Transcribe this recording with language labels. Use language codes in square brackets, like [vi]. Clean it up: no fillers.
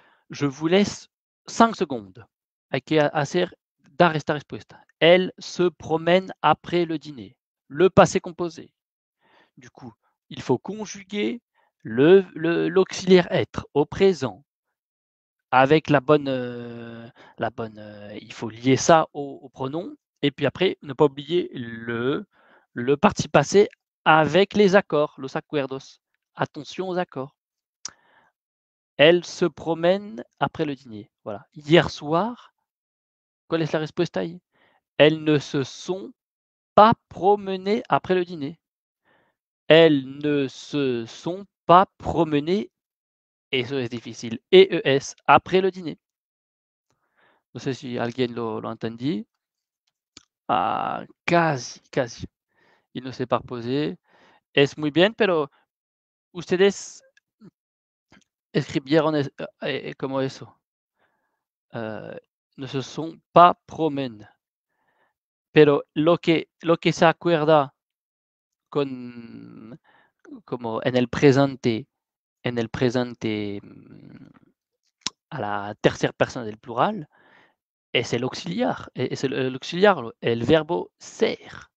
[fr] Je vous laisse 5 secondes. [es] Hay que hacer dar esta respuesta. [fr] Elle se promène après le dîner. Le passé composé. Du coup, il faut conjuguer l'auxiliaire être au présent. Avec il faut lier ça au pronom. Et puis après, ne pas oublier le participe passé avec les accords, los acuerdos. Attention aux accords. Elle se promène après le dîner. Voilà. Hier soir, quelle est la réponse taille? Elles ne se sont pas promenées après le dîner. Elles ne se sont pas promenées. Et ça, c'est difficile. EES, après le dîner. Je ne sais si quelqu'un l'a entendu. Ah, quasi. Il ne s'est pas reposé. [es] Es muy bien, pero ustedes escribieron como eso. [fr] Ne se sont pas promenés. [es] Pero lo que se acuerda con, como en el presente a la tercera persona del plural, es el auxiliar, el verbo ser.